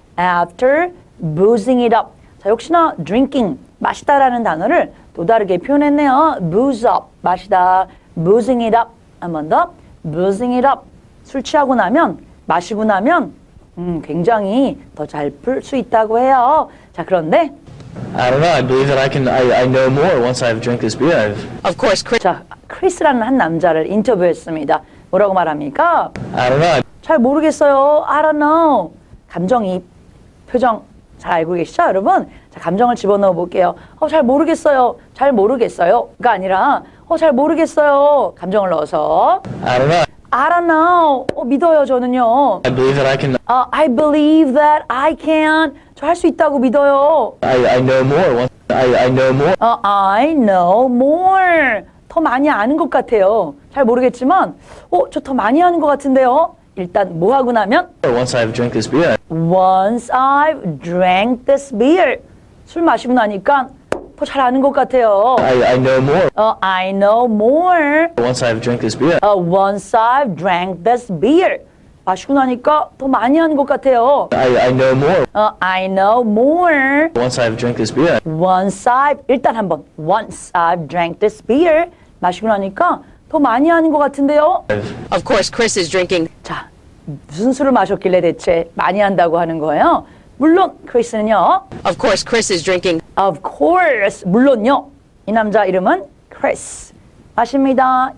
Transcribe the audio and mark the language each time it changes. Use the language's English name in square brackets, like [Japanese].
[English] After boozing it up. [Korean] 자, 역시나 drinking, 마시다라는 단어를 또 다르게 표현했네요. [English] booze up, [Korean] 마시다. [English] boozing it up. [Korean] 한 번 더. [English] boozing it up. [Korean] 술 취하고 나면, 마시고 나면 굉장히 더 잘 풀 수 있다고 해요. 자, 그런데 [English] I don't know. I believe that I can. I know more once I've drank this beer. I've... Of course, Chris. [Korean] 자, Chris라는 한 남자를 인터뷰했습니다. 뭐라고 말합니까? [English] I don't know. [Korean] 잘 모르겠어요. [English] I don't know. [Korean] 감정이 표정 잘 알고 계시죠, 여러분? 자, 감정을 집어넣어 볼게요. 잘 모르겠어요. 잘 모르겠어요.가 아니라 잘 모르겠어요. 감정을 넣어서. [English] I don't know. I don't know. [Korean] 믿어요, 저는요. [English] I believe that I can. I believe that I can. [Korean] 저 할 수 있다고 믿어요. [English] I know more. I know more. I know more. [Korean] 더 많이 아는 것 같아요. 잘 모르겠지만, 저 더 많이 아는 것 같은데요. 일단 뭐 하고 나면? [English] Once I've drank this beer. Once I've drank this beer. [Korean] 술 마시고 나니까 더 잘 아는 것 같아요. [English] I know more. I know more. Once I've drank this beer. Once I've drank this beer. [Korean] 마시고 나니까 더 많이 아는 것 같아요. [English] I know more. I know more. Once I've drank this beer. Once I've [Korean] 일단 한번 [English] once I've drank this beer. [Korean] 마시고 나니까 더 많이 아는 것 같은데요. [English] Of course, Chris is drinking. [Korean] 자, 무슨 술을 마셨길래 대체 많이 한다고 하는 거예요? 물론 크리스는요. [English] Of course, Chris is drinking. Of course, [Korean] 물론요. 이 남자 이름은 Chris. 마십니다.